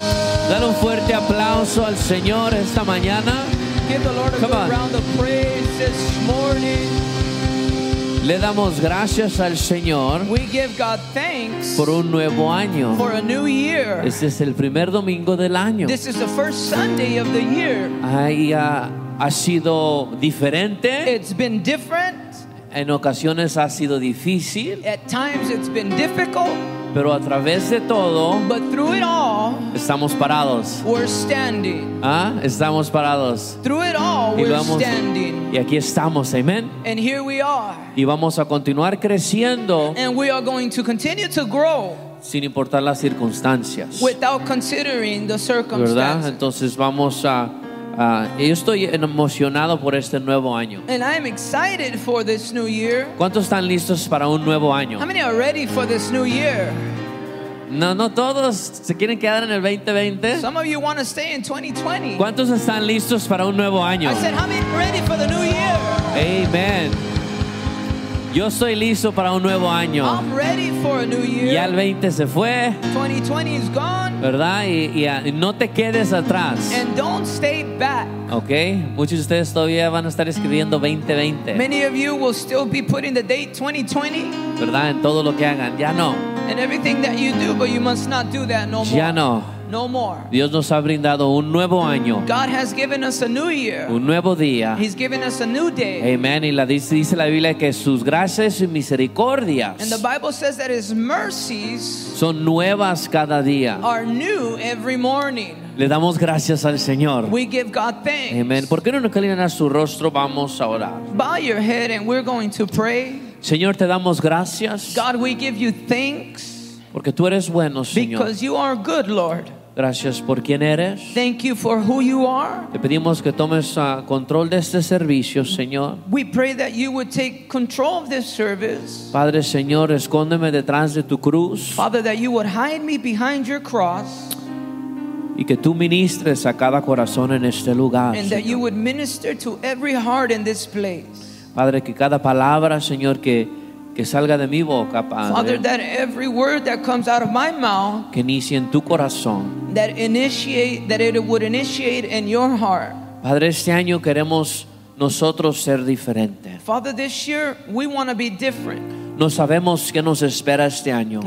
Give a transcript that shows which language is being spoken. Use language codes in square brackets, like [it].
[es] Dar un fuerte aplauso al Señor esta mañana. [en] Give the Lord a good round of praise this morning. [es] Le damos gracias al Señor. [en] We give God thanks [es] por un nuevo año. [en] For a new year. [es] Este es el primer domingo del año. [en] This is the first Sunday of the year. [es] Ha sido diferente. [en] It's been different. [es] En ocasiones ha sido difícil. [en] At times it's been difficult. [es] Pero a través de todo, [en] but through it all, [es] estamos parados. [en] We're standing. [es] ¿Ah? Estamos parados. [en] Through it all, we're standing. [es] Y aquí estamos, amen. [en] And here we are. [es] Y vamos a continuar creciendo. [en] And we are going to continue to grow. [es] Sin importar las circunstancias. [en] Without considering the circumstances. [es] ¿Verdad? Entonces vamos a yo estoy emocionado por este nuevo año. [en] And I'm excited for this new year. [es] ¿Cuántos están listos para un nuevo año? [en] How many are ready for this new year? [es] No, no todos se quieren quedar en el 2020. [en] Some of you want to stay in 2020. [es] ¿Cuántos están listos para un nuevo año? [en] I said, how many are ready for the new year? [es] Amen. Yo estoy listo para un nuevo año. [en] I'm ready for a new year. [es] Ya el 20 se fue. [en] 2020 is gone. [es] ¿Verdad? Y no te quedes atrás. [en] And don't stay back. Okay. [es] Muchos de ustedes todavía van a estar escribiendo 2020. [en] Many of you will still be putting the date 2020. [es] ¿Verdad? En todo lo que hagan. Ya no. [en] And everything that you do, but you must not do that no more. [es] Ya no. [en] No more. [es] Dios nos ha brindado un nuevo año. [en] God has given us a new year. [es] Un nuevo día. [en] He's given us a new day. [es] Amen. Y dice la Biblia que sus gracias y misericordias. [en] And the Bible says that his mercies [es] son nuevas cada día. [en] Are new every morning. [es] Le damos gracias al Señor. [en] We give God thanks. [es] Amen. ¿Por qué no nos inclinan a su rostro? Vamos a orar. [en] Bow your head and we're going to pray. [es] Señor, te damos gracias. [en] God, we give you thanks. [es] Porque tú eres bueno, Señor. [en] Because you are good, Lord. [es] Gracias por quien eres. [en] Thank you for who you are. [es] Te pedimos que tomes control de este servicio, Señor. [en] We pray that you would take control of this service. [es] Padre, Señor, escóndeme detrás de tu cruz. [en] Father, that you would hide me behind your cross. [es] Y que tú ministres a cada corazón en este lugar, [en] and that you would minister to every heart in this place. [es] Padre, que cada palabra, Señor, que salga de mi boca, Padre, [en] Father, that every word that comes out of my mouth, [es] que inicie en tu corazón, [en] that it would initiate in your heart. [es] Padre, este año queremos nosotros ser diferente. [en] Father, this year we want to be different. [es] No sabemos qué nos espera este año.